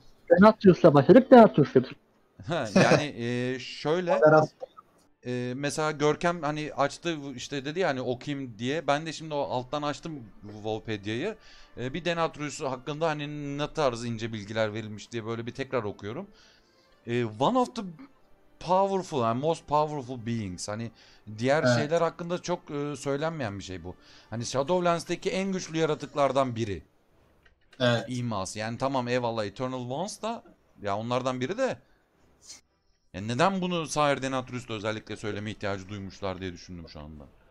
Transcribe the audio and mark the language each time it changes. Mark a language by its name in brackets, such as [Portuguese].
[Turkish] Denatrius'la başladık, Denatrius'la. Yani şöyle mesela Görkem hani açtı işte, dedi ya hani o kim diye. Ben de şimdi o alttan açtım Wikipedia'yı. Bir Denatrius hakkında hani ne tarz ince bilgiler verilmiş diye böyle bir tekrar okuyorum. [English] One of the powerful and most powerful beings. [Turkish] Hani diğer evet. Şeyler hakkında çok söylenmeyen bir şey bu. Hani Shadowlands'taki en güçlü yaratıklardan biri. Evet. İmaz. Yani tamam eyvallah, Eternal Ones da ya onlardan biri de. Yani neden bunu Sire Denatrius'ta özellikle söyleme ihtiyacı duymuşlar diye düşündüm şu anda.